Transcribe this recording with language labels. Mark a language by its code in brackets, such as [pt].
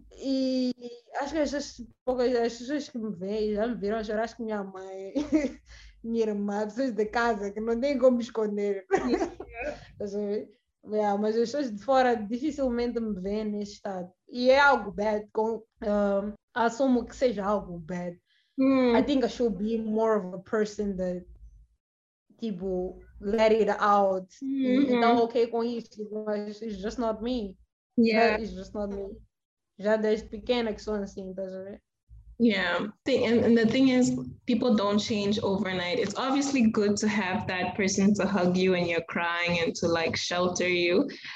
[pt] E acho que as pessoas que me veem já me viram chorar, acho que minha mãe, minha irmã, pessoas de casa que não tem como me esconder. Mas as pessoas de fora dificilmente me veem nesse estado. E é algo bad, assumo que seja algo bad. [en] I think I should be more of a person that, tipo, let it out. [pt] Então, ok com isso, mas [en] it's just not me. It's just not me. [pt] Já desde pequena que sou assim, tá já vendo? [en] And the thing is, people don't change overnight. It's obviously good to have that person to hug you when you're crying and to like shelter you.